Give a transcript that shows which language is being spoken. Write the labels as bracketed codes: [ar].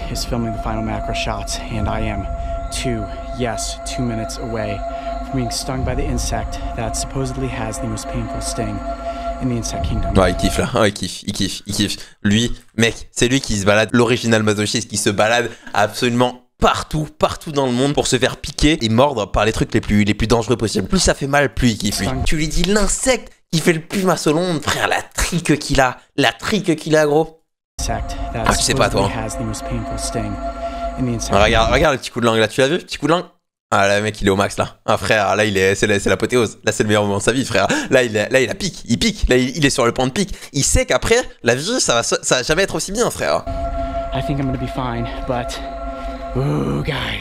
[en] Is filming the final macro shots and I am two minutes away from being stung by the insect that supposedly has the most painful sting. [fr] Ouais, il kiffe là, ouais, il kiffe. Lui, mec, c'est lui qui se balade, l'original masochiste qui se balade absolument partout dans le monde pour se faire piquer et mordre par les trucs les plus dangereux possibles. Plus ça fait mal, plus il kiffe. Lui. Tu lui dis l'insecte qui fait le plus masse au monde, frère, la trique qu'il a, gros. Ah, tu sais pas, toi. Hein. Regarde le petit coup de langue là, tu l'as vu, petit coup de langue? Ah là, mec, il est au max là. Ah frère, là il est, c'est l'apothéose. Là c'est le meilleur moment de sa vie, frère. Là il pique. Là il est sur le point de pique. Il sait qu'après la vie ça va jamais être aussi bien, frère. [en] I think I'm gonna be fine, but ooh guys.